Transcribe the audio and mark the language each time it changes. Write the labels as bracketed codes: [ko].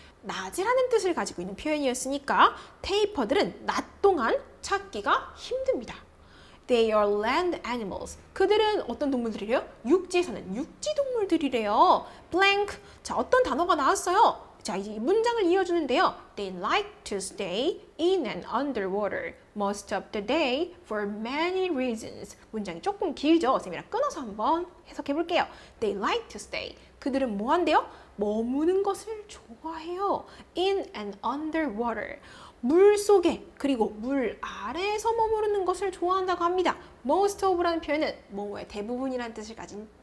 [ko] 낮이라는 뜻을 가지고 있는 표현이었으니까 테이퍼들은 낮 동안 찾기가 힘듭니다. [en] They are land animals. [ko] 그들은 어떤 동물들이래요? 육지에서는 육지 동물들이래요. [en] Blank. [ko] 자, 어떤 단어가 나왔어요? 자, 이제 문장을 이어주는데요. [en] They like to stay in and underwater most of the day for many reasons. [ko] 문장이 조금 길죠? 쌤이랑 끊어서 한번 해석해 볼게요. [en] They like to stay. [ko] 그들은 뭐 한대요? 머무는 것을 좋아해요. [en] In and underwater. [ko] 물 속에 그리고 물 아래에서 머무르는 것을 좋아한다고 합니다. Most of라는 표현은 뭐의 대부분이라는 뜻을 가진